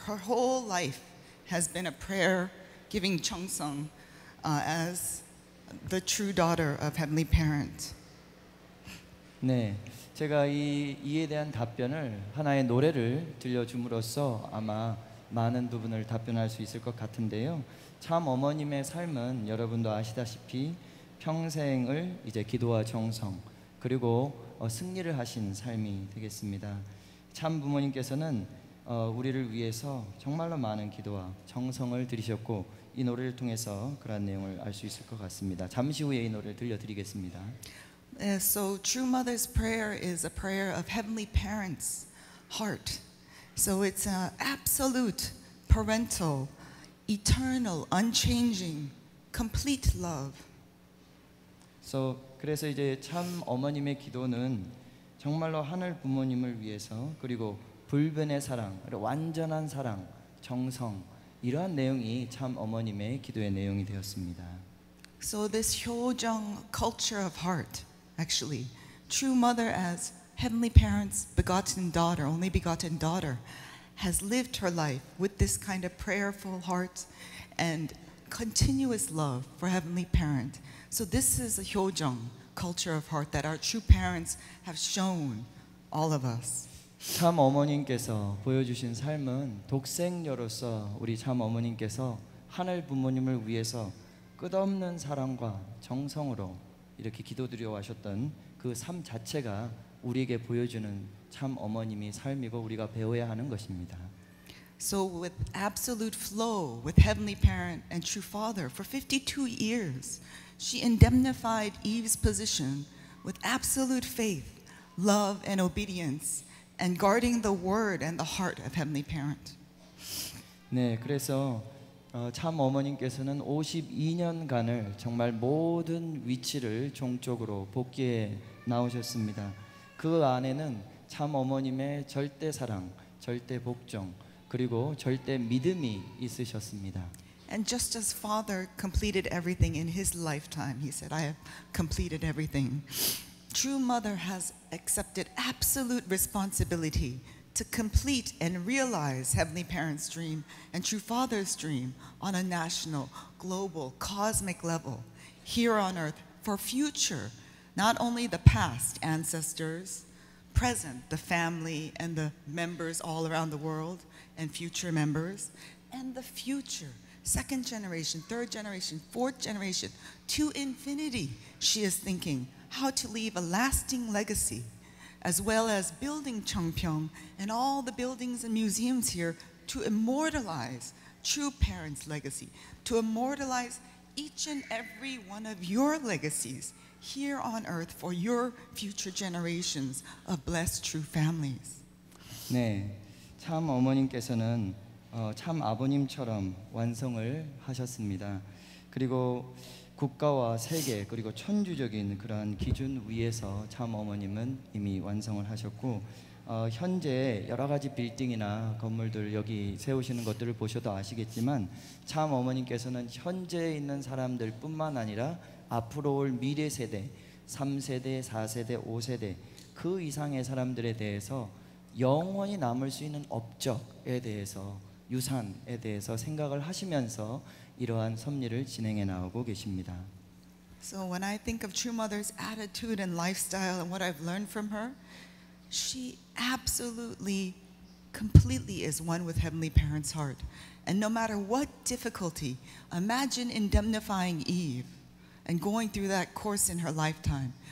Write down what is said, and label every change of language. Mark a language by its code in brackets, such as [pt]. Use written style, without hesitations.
[en] Her whole life has been a prayer giving Cheongseong as the true daughter of Heavenly Parent. [ko] 네, 제가 이에 대한 답변을 하나의 노래를 들려줌으로써 아마 많은 부분을 답변할 수 있을 것 같은데요. 참 어머님의 삶은 여러분도 아시다시피 평생을 이제 기도와 정성 그리고 승리를 하신 삶이 되겠습니다. 참 부모님께서는 우리를 위해서 정말로 많은 기도와 정성을 들이셨고 이 노래를 통해서 그런 내용을 알 수 있을 것 같습니다. 잠시 후에 이 노래를 들려드리겠습니다. [en] So True Mother's Prayer is a prayer of Heavenly Parent's heart. So it's an absolute parental, eternal, unchanging, complete love. [ko] So 그래서 이제 참 어머님의 기도는 정말로 하늘 부모님을 위해서 그리고 불변의 사랑, 완전한 사랑, 정성 이러한 내용이 참 어머님의 기도의 내용이 되었습니다. [en] So this 효정 culture of heart, actually, True Mother as Heavenly Parent's begotten daughter, only begotten daughter, has lived her life with this kind of prayerful heart and continuous love for Heavenly Parent. So this is a 효정 culture of heart that our true parents have shown all of us. [ko] 참 어머님께서 보여주신 삶은 독생녀로서 우리 참 어머님께서 하늘 부모님을 위해서 끝없는 사랑과 정성으로 이렇게 기도드려 하셨던 그 삶 자체가 우리에게 보여주는 참 어머님이 삶이고 우리가 배워야 하는 것입니다. [en] So with absolute flow with Heavenly Parent and True Father for 52 years, she indemnified Eve's position with absolute faith, love and obedience. And guarding the word and the heart of Heavenly Parent. [ko] 네, 그래서 참 어머님께서는 52년간을 정말 모든 위치를 종적으로 복귀해 나오셨습니다. 그 안에는 참 어머님의 절대 사랑, 절대 복종, 그리고 절대 믿음이 있으셨습니다. [en] And just as Father completed everything in his lifetime, he said, I have completed everything. True Mother has accepted absolute responsibility to complete and realize Heavenly Parents' dream and True Father's dream on a national, global, cosmic level, here on earth, for future, not only the past ancestors, present, the family and the members all around the world, and future members, and the future, second generation, third generation, fourth generation, to infinity, she is thinking how to leave a lasting legacy, as well as building Cheong Pyeong and all the buildings and museums here to immortalize true parents' legacy, to immortalize each and every one of your legacies here on earth for your future generations of blessed true families. [ko] 네, 참 어머님께서는 참 아버님처럼 완성을 하셨습니다. 그리고 국가와 세계 그리고 천주적인 그러한 기준 위에서 참 어머님은 이미 완성을 하셨고 현재 여러 가지 빌딩이나 건물들 여기 세우시는 것들을 보셔도 아시겠지만 참 어머님께서는 현재 있는 사람들뿐만 아니라 앞으로 올 미래 세대 3세대, 4세대, 5세대 그 이상의 사람들에 대해서 영원히 남을 수 있는 업적에 대해서 유산에 대해서 생각을 하시면서 이러한 섭리를 진행해 나오고 계십니다. [en] So when I think of True Mother's attitude and lifestyle and what I've learned from her, she absolutely, completely is one with Heavenly Parents' heart. And no matter what difficulty, imagine indemnifying Eve and going through that course in her lifetime.